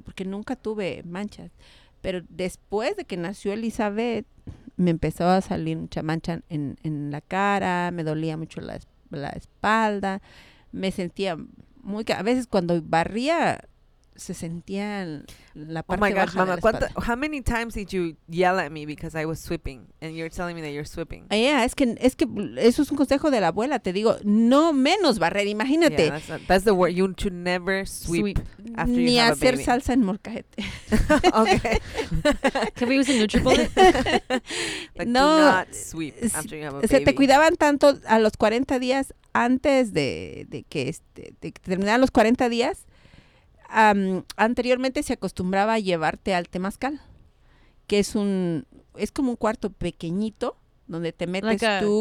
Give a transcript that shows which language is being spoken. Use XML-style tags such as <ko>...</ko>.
<es>Porque nunca tuve manchas. Pero después de que nació Elizabeth, me empezó a salir mucha mancha en la cara, me dolía mucho la espalda, me sentía muy... A veces cuando barría, se sentía la parte baja de la espalda.</es> <en>Oh my God, mamá, how many times did you yell at me because I was sweeping? And you're telling me that you're sweeping.</en> <es>Yeah, es que eso es un consejo de la abuela, te digo, no menos barrer, imagínate.</es> <en>Yeah, that's the word, you should never sweep after you have a baby.</en> <es>Ni hacer salsa en molcajete.</es> <en>Okay. Can we use a Nutribullet? Like, no, do not sweep after you have a baby.</en> <es>Se te cuidaban tanto a los 40 días antes de que terminaran los 40 días. Anteriormente se acostumbraba a llevarte al temazcal, que es como un cuarto pequeñito donde te metes</es> <en>like</en> <es>tú</es>